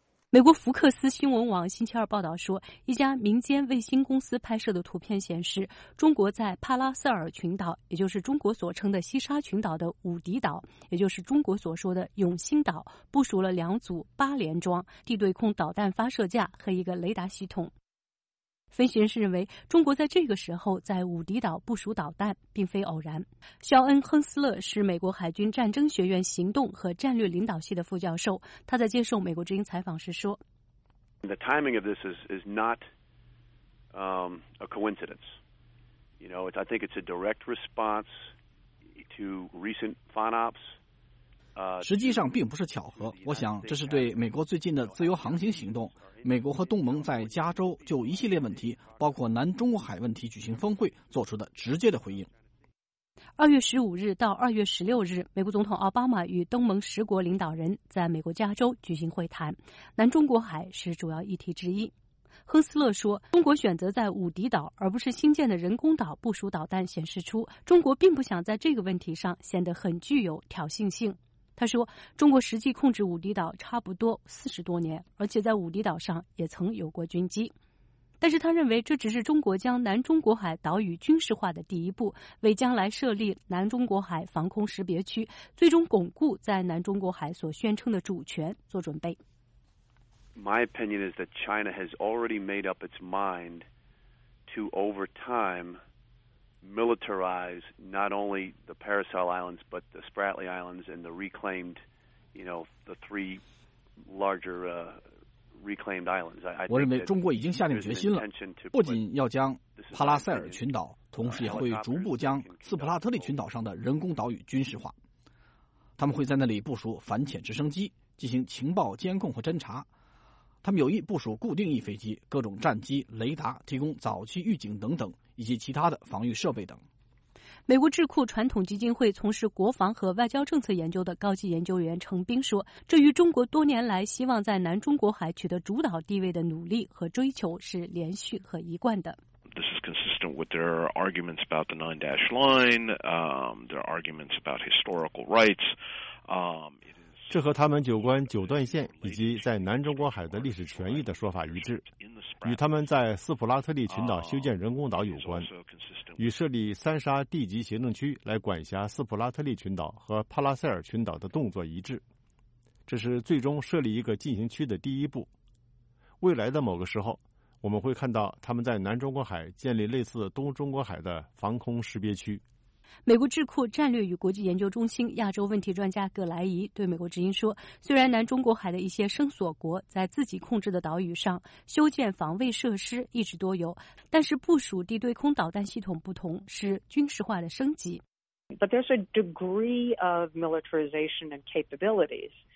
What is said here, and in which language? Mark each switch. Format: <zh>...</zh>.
<zh>美国福克斯新闻网星期二报道说，一家民间卫星公司拍摄的图片显示，中国在帕拉塞尔群岛，也就是中国所称的西沙群岛的武迪岛，也就是中国所说的永兴岛，部署了两组八连装地对空导弹发射架和一个雷达系统。分析人士认为，中国在这个时候在武迪岛部署导弹并非偶然。肖恩·亨斯勒是美国海军战争学院行动和战略领导系的副教授，他在接受美国之音采访时说</zh> <en>The timing of this is not a coincidence. You know, I think it's a direct response to recent FONOPS.</en> <zh>实际上并不是巧合，我想这是对美国最近的自由航行行动，美国和东盟在加州就一系列问题，包括南中国海问题举行峰会做出的直接的回应。 2月15日到2月16日，美国总统奥巴马与东盟十国领导人在美国加州举行会谈，南中国海是主要议题之一。亨斯勒说，中国选择在武迪岛而不是新建的人工岛部署导弹，显示出中国并不想在这个问题上显得很具有挑衅性。他说，中国实际控制武迪岛差不多40多年，而且在武迪岛上也曾有过军机。但是他认为这只是中国将南中国海岛屿军事化的第一步，为将来设立南中国海防空识别区，最终巩固在南中国海所宣称的主权做准备。</zh> <en>My opinion is that China has already made up its mind to over time militarize not only the Paracel Islands but the Spratly Islands and the reclaimed, you know, the three larger reclaimed islands.</en> <zh>我认为中国已经下定决心了，不仅要将帕拉塞尔群岛，同时也会逐步将斯普拉特利群岛上的人工岛屿军事化。他们会在那里部署反潜直升机，进行情报监控和侦查。他们有意部署固定翼飞机、各种战机、雷达，提供早期预警等等，以及其他的防御设备等。美国智库传统基金会从事国防和外交政策研究的高级研究员程斌说，这与中国多年来希望在南中国海取得主导地位的努力和追求是连续和一贯的。</zh> <en>This is consistent with their arguments about the nine-dash line, their arguments about historical rights.</en> <zh>这和他们有关九段线以及在南中国海的历史权益的说法一致，与他们在斯普拉特利群岛修建人工岛有关，与设立三沙地级行政区来管辖斯普拉特利群岛和帕拉塞尔群岛的动作一致。这是最终设立一个禁行区的第一步。未来的某个时候，我们会看到他们在南中国海建立类似东中国海的防空识别区。美国智库战略与国际研究中心亚洲问题专家葛莱仪对美国之音说，虽然南中国海的一些生索国在自己控制的岛屿上修建防卫设施一直多有，但是部署地对空导弹系统不同，是军事化的升级。</zh> <en>But there's a degree of militarization and capabilities.</en>